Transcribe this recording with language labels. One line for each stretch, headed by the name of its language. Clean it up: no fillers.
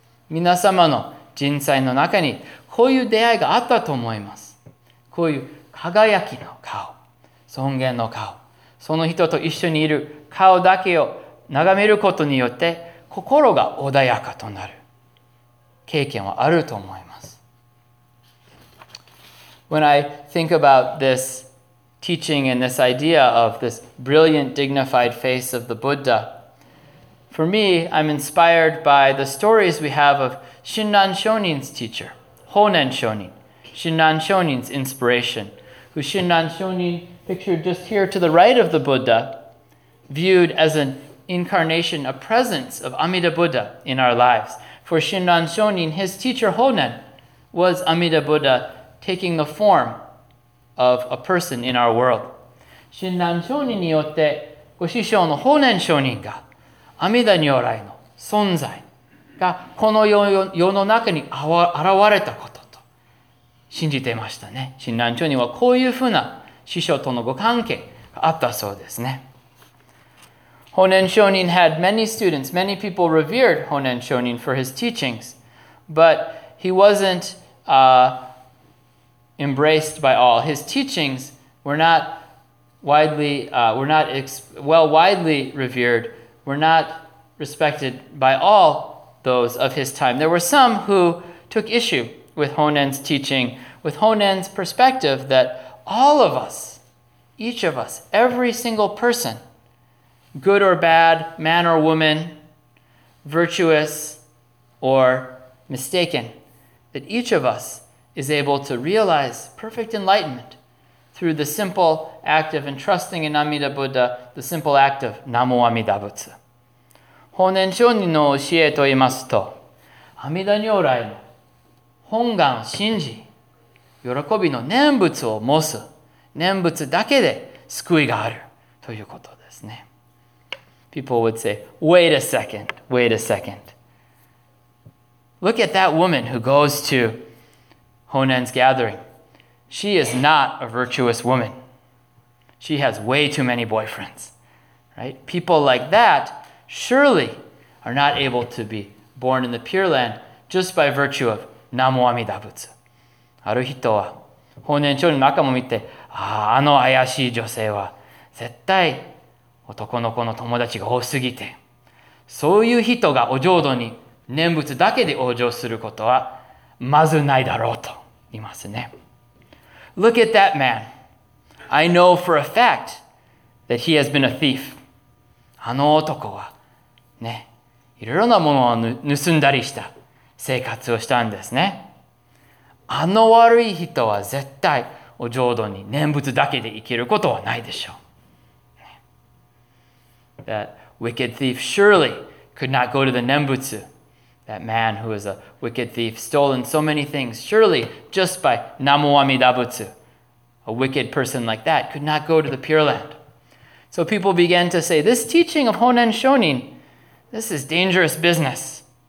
Japanese: 皆様の人生の中にこういう出会いがあったと思います。こういう輝きの顔、尊厳の顔、その人と一緒にいる顔だけを眺めることによって心が穏やかとなる経験はあると思います。
English: When I think about this teaching and this idea of this brilliant, dignified face of the Buddha, for me, I'm inspired by the stories we have of Shinran Shonin's teacher, Honen Shonin, Shinran Shonin's inspiration, who Shinran Shonin, pictured just here to the right of the Buddha, viewed as an incarnation, a presence of Amida Buddha in our lives. For Shinran Shonin, his teacher Honen was Amida Buddha taking the form of a person in our world.
Japanese: 親鸞聖人によってご師匠の法然聖人が阿弥陀如来の存在がこの世の中に現れたことと信じていましたね。親鸞聖人はこういうふうな師匠とのご関係があったそうですね。
English: 法然聖人 had many students, many people revered 法然聖人 for his teachings, but he wasn't embraced by all. His teachings were not widely, widely revered, were not respected by all those of his time. There were some who took issue with Honen's teaching, with Honen's perspective that all of us, each of us, every single person, good or bad, man or woman, virtuous or mistaken, that each of us is able to realize perfect enlightenment through the simple act of entrusting in Amida Buddha, the simple act of Namo Amida Butsu.
Japanese: 法然聖人の教えと言いますと、阿弥陀如来の本願を信じ、喜びの念仏を持つ、念仏だけで救いがあるということですね。
English: People would say, wait a second, wait a second. Look at that woman who goes to Honen's gathering. She is not a virtuous woman. She has way too many boyfriends. Right? People like that surely are not able to be born in the Pure Land just by virtue of Namo Amida Butsu.
Japanese: ある人は法然聖人の中も見て、あの怪しい女性は絶対男の子の友達が多すぎて、そういう人がお浄土に念仏だけで往生することはまずないだろうと。
English: Look at that man. I know for a fact that he has been a thief.
Japanese: あの男はね、いろいろなものを盗んだりした生活をしたんですね。あの悪い人は絶対お浄土に念仏だけで生きることはないでしょう。
English: That wicked thief surely could not go to the 念仏。 That man who is a wicked thief, stolen so many things, surely just by Namo Amida Butsu, a wicked person like that could not go to the Pure Land. So people began to say, this teaching of Honen Shonin, this is dangerous business.